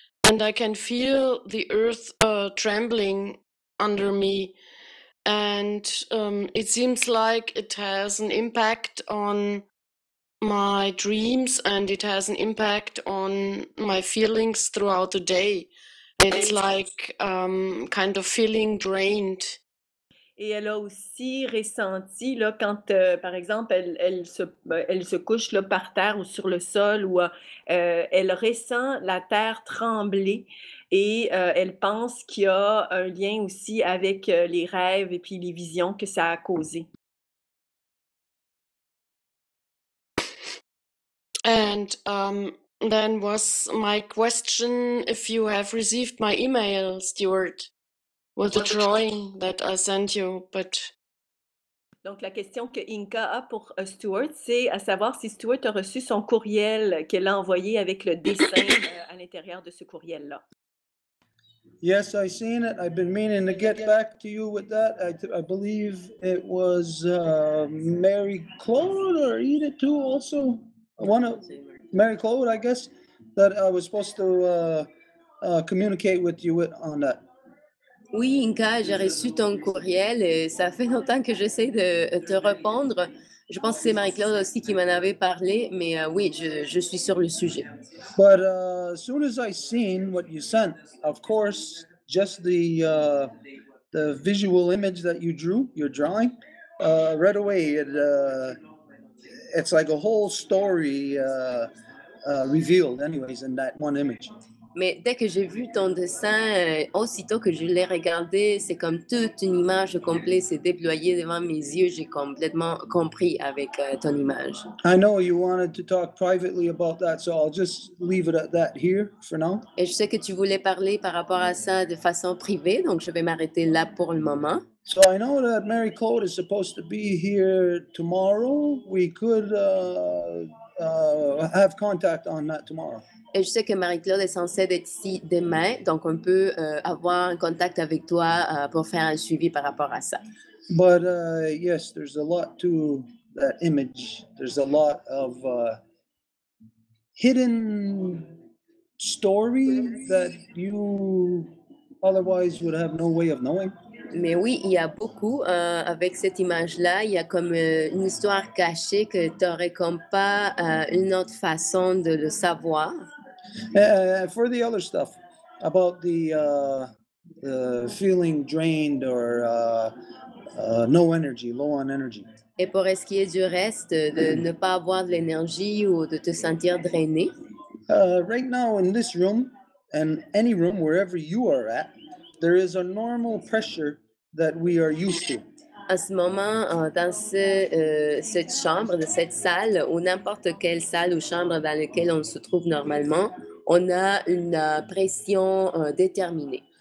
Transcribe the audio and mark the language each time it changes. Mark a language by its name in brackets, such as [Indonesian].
[English] And I can feel the earth trembling under me. And it seems like it has an impact on my dreams and it has an impact on my feelings throughout the day. It's like kind of feeling drained. [French] Et elle a aussi ressenti, là, quand, par exemple, elle se couche là, par terre ou sur le sol, ou elle ressent la terre trembler et elle pense qu'il y a un lien aussi avec les rêves et puis les visions que ça a causé. [English] And then was my question if you have received my email, Stuart? With the drawing that I sent you, but... [French] Donc, la question que Inka a pour Stuart, c'est à savoir si Stuart a reçu son courriel qu'elle a envoyé avec le dessin à l'intérieur de ce courriel-là. [English] Yes, I've seen it. I've been meaning to get back to you with that. I believe it was Mary Claude or Edith too also. One of Mary Claude, I guess, that I was supposed to communicate with you with on that. [French] Oui, Inka, j'ai reçu ton courriel et ça fait longtemps que j'essaie de te répondre. Je pense que c'est Marie-Claude aussi qui m'en avait parlé, mais oui, je suis sur le sujet. [English] But as soon as I seen what you sent, of course, just the visual image that you drew, your drawing, right away, it's like a whole story revealed anyways in that one image. [French] Mais dès que j'ai vu ton dessin, aussitôt que je l'ai regardé, c'est comme toute une image complète s'est déployée devant mes yeux. J'ai complètement compris avec ton image. [English] I know you wanted to talk privately about that, so I'll just leave it at that here for now. [French] Et je sais que tu voulais parler par rapport à ça de façon privée, donc je vais m'arrêter là pour le moment. [English] So I know that Mary Claude is supposed to be here tomorrow. We could have contact on that tomorrow. [French] Et je sais que Marie-Claude est censée être ici demain, donc on peut avoir un contact avec toi pour faire un suivi par rapport à ça. [English] But yes, there's a lot to that image. There's a lot of hidden story that you otherwise would have no way of knowing. [French] Mais oui, il y a beaucoup avec cette image-là. Il y a comme une histoire cachée que tu n'aurais comme pas une autre façon de le savoir. [English] For the other stuff about the feeling drained or no energy, low on energy. [French] Et pour ce qui est du reste, de ne pas avoir de l'énergie ou de te sentir drainé. [English] Right now in this room and any room wherever you are at, There is a normal pressure that we are used to. [French] À ce moment, dans cette chambre, de cette salle, ou n'importe quelle salle ou chambre dans laquelle on se trouve normalement, on a une pression déterminée.